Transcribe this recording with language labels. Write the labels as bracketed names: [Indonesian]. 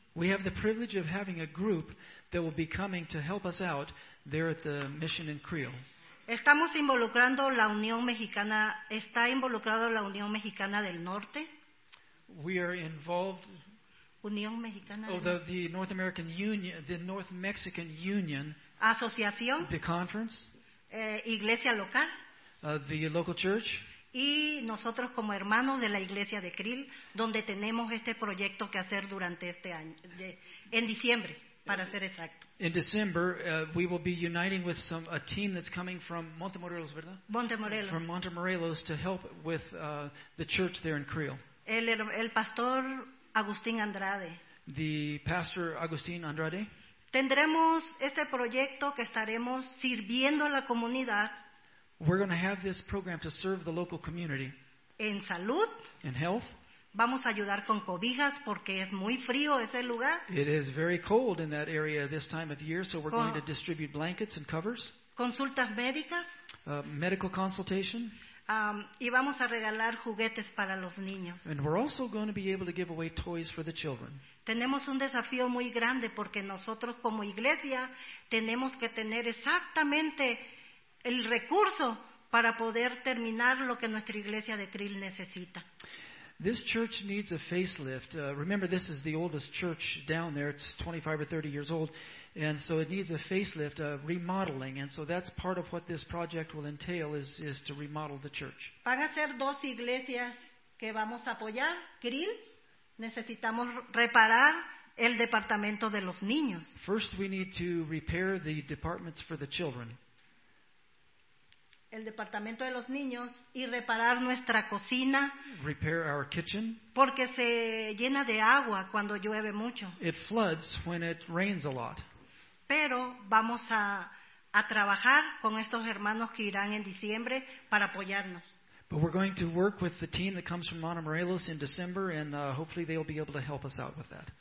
[English] We have the privilege of having a group that will be coming to help us out there at the mission in Krill. [Spanish] Estamos involucrando la Unión Mexicana, está involucrado la Unión Mexicana del Norte. [English] We are involved. [Spanish] Unión Mexicana. [English] Oh, the North American Union, the North Mexican Union. [Spanish] Asociación. [English] The conference. [Spanish] Iglesia local. [English] The local church. [Spanish] Y nosotros como hermanos de la Iglesia de Krill, donde tenemos este proyecto que hacer durante este año, en diciembre. Para ser exacto. [English] In December, we will be uniting with a team that's coming from Montemorelos, ¿verdad? [Spanish] Montemorelos. [English] From Montemorelos to help with the church there in Creole. [Spanish] El pastor Agustín Andrade. [English] The pastor Agustín Andrade. [Spanish] Tendremos este proyecto que estaremos sirviendo a la comunidad. [English] We're going to have this program to serve the local community. [Spanish] En salud. [English] In health. [Spanish] Vamos a ayudar con cobijas porque es muy frío ese lugar. [English] It is very cold in that area this time of year, so we're going to distribute blankets and covers. [Spanish] Consultas médicas. [English] Medical consultation. [Spanish] Y vamos a regalar juguetes para los niños. [English] And we're also going to be able to give away toys for the children. [Spanish] Tenemos un desafío muy grande porque nosotros como iglesia tenemos que tener exactamente el recurso para poder terminar lo que nuestra iglesia de Creel necesita. [English] This church needs a facelift. Remember, this is the oldest church down there. It's 25 or 30 years old. And so it needs a facelift, a remodeling. And so that's part of what this project will entail is to remodel the church. [Spanish] Van a ser dos iglesias que vamos a apoyar. Creel, necesitamos reparar el departamento de los niños. [English] First, we need to repair the departments for the children. [Spanish] El departamento de los niños y reparar nuestra cocina. [English] Repair our kitchen. [Spanish] Porque se llena de agua cuando llueve mucho. [English] It floods when it rains a lot. [Spanish] Pero vamos a trabajar con estos hermanos que irán en diciembre para apoyarnos. [English] But we're going to work with the team that comes from Montemorelos in December and hopefully they'll be able to help us out with that.